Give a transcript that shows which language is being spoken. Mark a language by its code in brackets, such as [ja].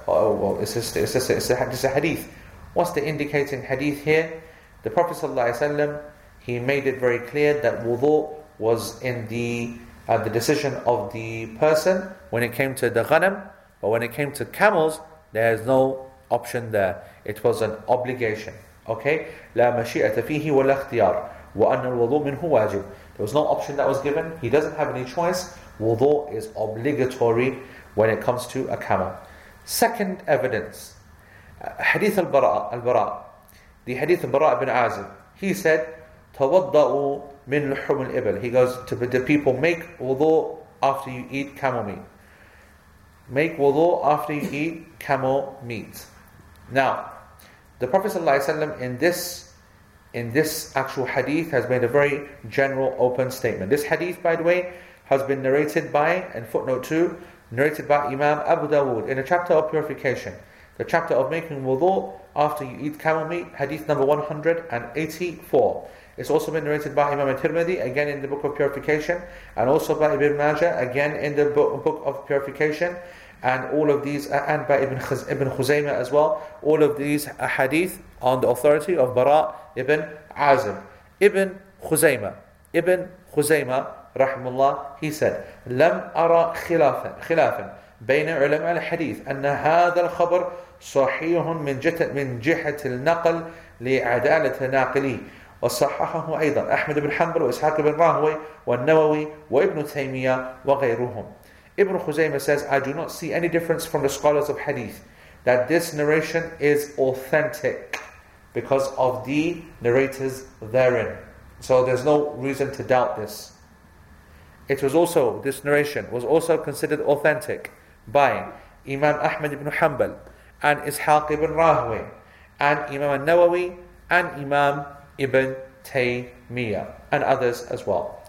[en] It's a hadith. What's the indicating hadith here? The Prophet sallallahu alaihi wasallam, he made it very clear that wudu was in the decision of the person when it came to the ghanam, but when it came to camels, there is no option there. It was an obligation. [ar] Okay, لا مشيئة فيه ولا اختيار وأن الوضوء منه واجب. [en] There was no option that was given. He doesn't have any choice. Wudu is obligatory when it comes to a camel. Second evidence, Hadith al-Bara'. The Hadith al-Bara' ibn Azim. He said, [ar] تَوَضَّأُوا مِنْ لُحُمُ الْإِبَلِ. [en] He goes, the people make wudu after you eat camel meat. Make wudu after you eat camel meat. Now, the Prophet sallallahu alaihi wasallam in this actual hadith has made a very general open statement. This hadith, by the way, has been narrated by, in footnote 2, narrated by Imam Abu Dawood in a chapter of purification. The chapter of making wudu after you eat camel meat, hadith number 184. It's also been narrated by Imam al-Tirmidhi, again in the book of purification, and also by Ibn Majah, again in the book of purification, and all of these, and by Ibn Khuzaymah as well, all of these hadith on the authority of Bara' ibn Azim. Ibn Khuzaymah, rahimullah, he said, [ar] لم أرى خلافا بين علماء الحديث أن هذا الخبر صحيح من جهة النقل لعدالة ناقله وصححه أيضا أحمد بن حنبل وإسحاق بن راهوي والنووي وابن تيمية وغيرهم. [en] Ibn Khuzaymah says, I do not see any difference from the scholars of hadith that this narration is authentic because of the narrators therein. So there's no reason to doubt this. This narration was also considered authentic by Imam Ahmad ibn Hanbal and Ishaq ibn Rahway and Imam al-Nawawi and Imam ibn Taymiyyah and others as well.